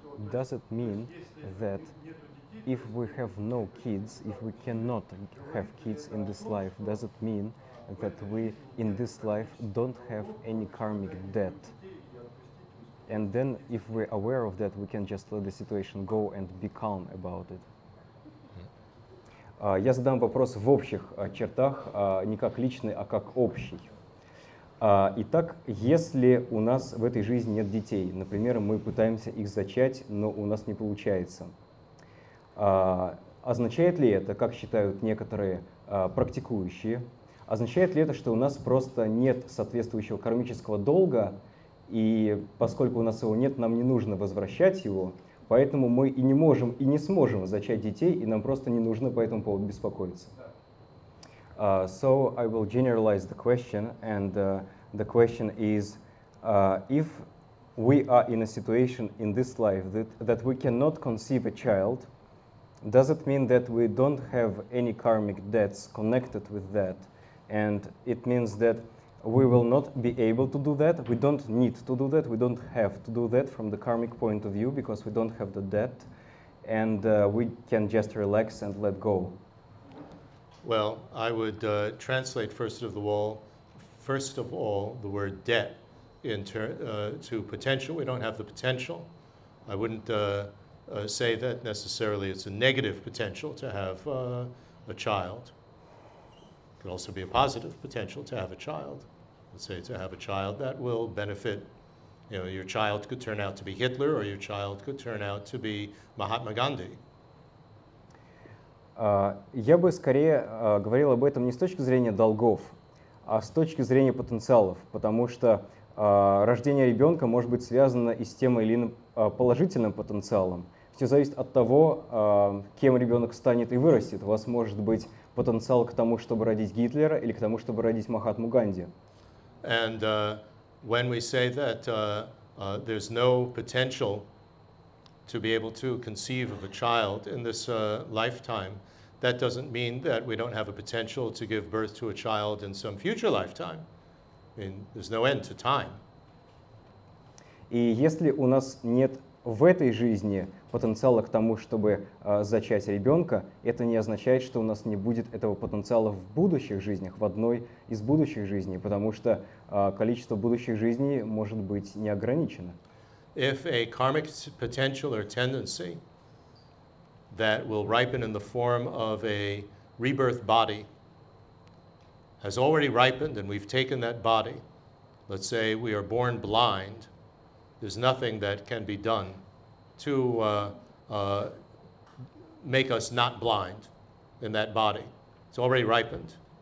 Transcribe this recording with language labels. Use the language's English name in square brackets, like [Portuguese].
[English] Does it mean that if we have no kids, if we cannot have kids in this life, does it mean that we in this life don't have any karmic debt? And then if we're aware of that, we can just let the situation go and be calm about it. [Russian] Я задам вопрос в общих чертах, не как личный, а как общий. Итак, если у нас в этой жизни нет детей, например, мы пытаемся их зачать, но у нас не получается, означает ли это, как считают некоторые практикующие, означает ли это, что у нас просто нет соответствующего кармического долга, и поскольку у нас его нет, нам не нужно возвращать его, поэтому мы и не можем, и не сможем зачать детей, и нам просто не нужно по этому поводу беспокоиться. [English] So I will generalize the question, and the question is, if we are in a situation in this life that we cannot conceive a child, does it mean that we don't have any karmic debts connected with that? And it means that we will not be able to do that, we don't need to do that, we don't have to do that from the karmic point of view because we don't have the debt, and we can just relax and let go. Well, I would translate first of all, the word debt to potential. We don't have the potential. I wouldn't say that necessarily it's a negative potential to have a child. It could also be a positive potential to have a child. Let's say to have a child that will benefit, you know, your child could turn out to be Hitler or your child could turn out to be Mahatma Gandhi. [Russian] Я бы скорее говорил об этом не с точки зрения долгов, а с точки зрения потенциалов, потому что рождение ребенка может быть связано и с тем или иным положительным потенциалом. Все зависит от того, кем ребенок станет и вырастет. У вас может быть потенциал к тому, чтобы родить Гитлера или к тому, чтобы родить Махатму Ганди. [English] And when we say that there's no potential to be able to conceive of a child in this lifetime, that doesn't mean that we don't have a potential to give birth to a child in some future lifetime. I mean, there's no end to time. [Russian] И если у нас нет в этой жизни потенциала к тому, чтобы зачать ребенка, это не означает, что у нас не будет этого потенциала в будущих жизнях, в одной из будущих жизней, потому что количество будущих жизней может быть неограничено. [English] If a karmic potential or tendency that will ripen in the form of a rebirth body has already ripened and we've taken that body, let's say we are born blind, there's nothing that can be done to make us not blind in that body. It's already ripened.